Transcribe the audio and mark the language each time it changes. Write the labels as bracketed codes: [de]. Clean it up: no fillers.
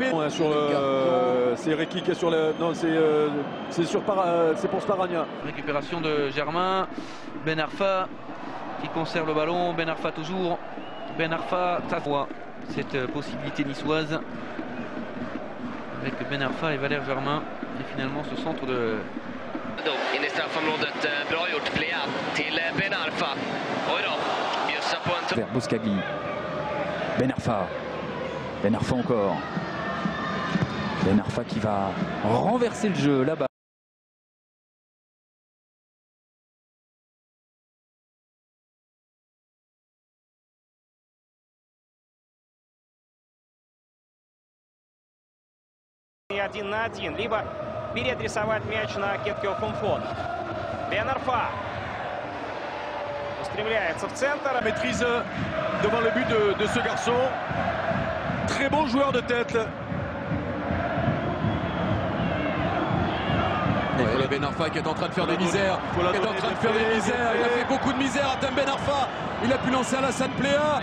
[fr] Et... sur le... c'est Ekic qui est sur le. Non, c'est sur Par... c'est pour Sparagna. Récupération de Germain. Ben Arfa qui conserve le ballon. Ben Arfa toujours. Ben Arfa, ça voit cette possibilité niçoise. Avec Ben Arfa et Valère Germain. Et finalement ce centre de. [sv] In i straffområdet, bra gjort Plea till Ben Arfa. Oj då, bjussa på en tur. Buscagli, Ben Arfa, Ben Arfa encore. [fr] Ben Arfa qui va renverser le jeu là-bas. [ru] Один на один, либо переадресовать мяч на Кеткио Кунфо. Бен Арфа устремляется в центр. [fr] Maîtrise devant le but de ce garçon. Très bon joueur de tête. Voilà Ben Arfa qui est en train de faire des misères. Il a fait beaucoup de misères à Atem Ben Arfa. Il a pu lancer à la Alassane Pléa.